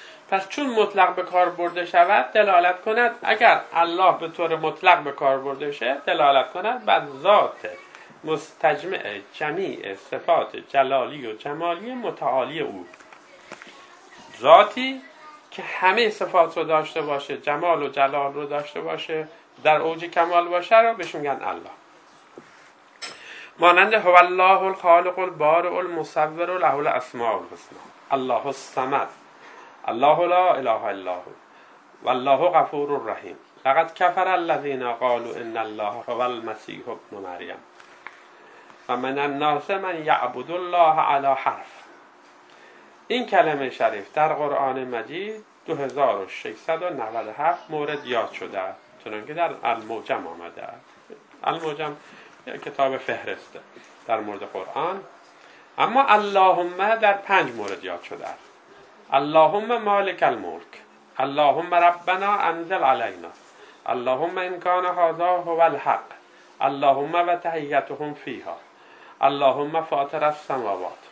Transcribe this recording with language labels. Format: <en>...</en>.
<fa>پس چون مطلق به کار برده شود دلالت کند، اگر الله به طور مطلق به کار برده شه دلالت کند بر ذات مستجمع جمیع صفات جلالی و جمالی متعالی او، ذاتی که همه صفات رو داشته باشه، جمال و جلال رو داشته باشه، در اوج کمال باشه، رو بهش میگن الله.</fa> <ar>مانند هو الله الخالق البارئ المصور له الاسماء الحسنى، الله الصمد، الله لا اله الا هو، والله غفور رحیم، لقد كفر الذين قالوا ان الله هو المسيح ابن مريم فمن الناس من يعبد الله على حرف.</ar> <fa>این کلمه شریف در قرآن مجید 2697 مورد یاد شده، چون که در الموجم آمده، الموجم کتاب فهرسته در مورد قرآن. اما اللهم در 5 مورد یاد شده،</fa> <ar>اللهم مالک الملک، اللهم ربنا انزل علینا، اللهم ان کان هذا هو الحق، اللهم و تحیتهم فیها، اللهم فاطر السماوات.</ar>